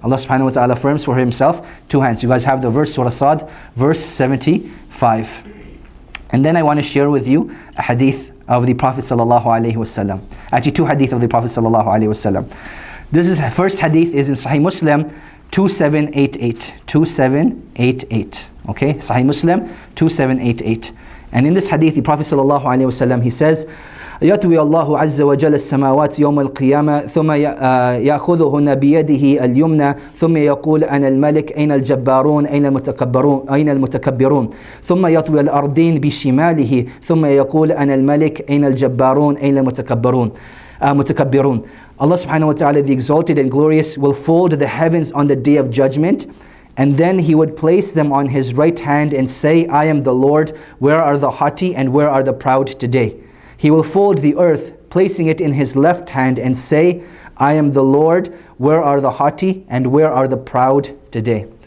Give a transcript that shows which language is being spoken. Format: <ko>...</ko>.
<en>Allah subhanahu wa ta'ala affirms for himself two hands. You guys have the verse, Surah Sad, verse 75. And then I want to share with you a hadith of the Prophet sallallahu alayhi wasallam. Actually, two hadith of the Prophet sallallahu alayhi wasallam. This is first hadith is in Sahih Muslim 2788. Okay, Sahih Muslim 2788. And in this hadith, the Prophet sallallahu alayhi wasallam, he says,</en> <ar>يطوي الله عز وجل السماوات يوم القيامة ثم يأخذهن بيده اليمنى ثم يقول أنا الملك أين الجبارون أين المتكبرون أين المتكبرون ثم يطوي الأرضين بشماله ثم يقول أنا الملك أين الجبارون أين المتكبرون متكبرون.</ar> <en>Allah subhanahu wa ta'ala, the exalted and glorious, will fold the heavens on the day of judgment, and then he would place them on his right hand and say, I am the Lord, where are the haughty and where are the proud today? He will fold the earth, placing it in his left hand and say, I am the Lord, where are the haughty and where are the proud today?</en>